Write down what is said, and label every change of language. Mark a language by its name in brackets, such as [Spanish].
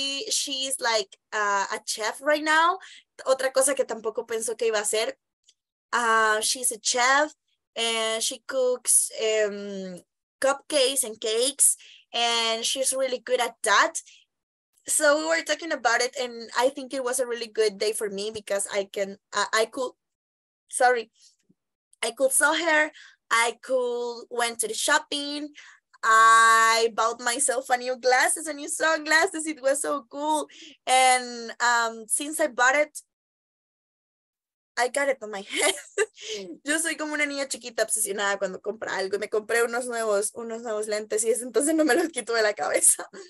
[English] She's like a chef right now. [Spanish] Otra cosa que tampoco pensó que iba a ser. [English] She's a chef and she cooks cupcakes and cakes, and she's really good at that. So we were talking about it, and I think it was a really good day for me because I could saw her, I could went to the shopping, I bought myself a new sunglasses, it was so cool, and since I bought it, I got it on my head. [Spanish] Yo soy como una niña chiquita obsesionada cuando compra algo. Me compré unos nuevos lentes y desde entonces no me los quito de la cabeza.